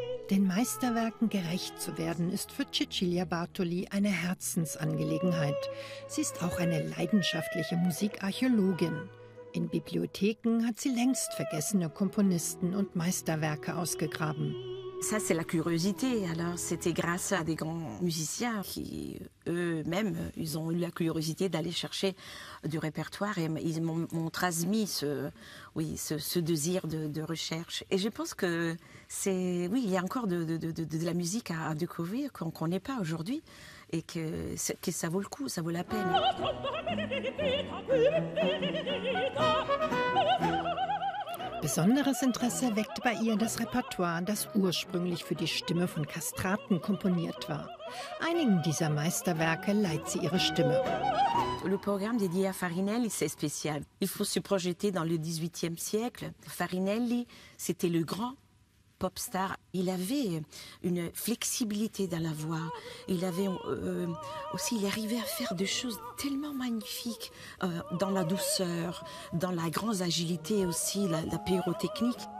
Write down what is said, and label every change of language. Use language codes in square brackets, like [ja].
[de] Den Meisterwerken gerecht zu werden, ist für Cecilia Bartoli eine Herzensangelegenheit. Sie ist auch eine leidenschaftliche Musikarchäologin. In Bibliotheken hat sie längst vergessene Komponisten und Meisterwerke ausgegraben. [fr] Ça, c'est la curiosité. Alors, c'était grâce à des grands musiciens qui, eux-mêmes, ils ont eu la curiosité d'aller chercher du répertoire et ils m'ont transmis ce désir de recherche. Et je pense que c'est, oui, il y a encore de la musique à découvrir qu'on ne connaît pas aujourd'hui et que ça vaut le coup, ça vaut la peine. [de] Besonderes Interesse weckte bei ihr das Repertoire, das ursprünglich für die Stimme von Kastraten komponiert war. Einigen dieser Meisterwerke leiht sie ihre Stimme. [fr] Le programme dédié à Farinelli, c'est spécial. Il faut se projeter dans le 18e siècle. Farinelli, c'était le grand popstar. Il avait une flexibilité dans la voix. Il avait aussi, il arrivait à faire des choses tellement magnifiques dans la douceur, dans la grande agilité aussi, la pyrotechnique.